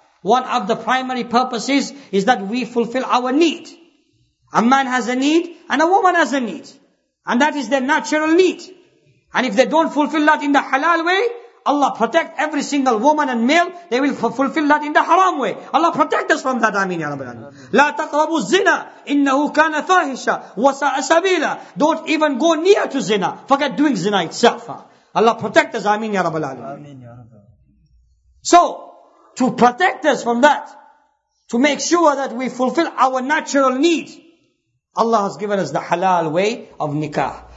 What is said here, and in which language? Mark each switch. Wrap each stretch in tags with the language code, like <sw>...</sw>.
<en>One of the primary purposes is that we fulfill our need. A man has a need and a woman has a need. And that is their natural need. And if they don't fulfill that in the halal way, Allah protect every single woman and male. They will fulfill that in the haram way. Allah protect us from that. Ameen ya Rabbal Alameen.</en> <ar>لا تقربوا الزنا إنه كان فاحشة وساء سبيلا.</ar> <en>Don't even go near to zina. Forget doing zina itself. Allah protect us. Ameen ya Rabbal Alameen. So, to protect us from that, to make sure that we fulfill our natural need, Allah has given us the halal way of nikah.</en>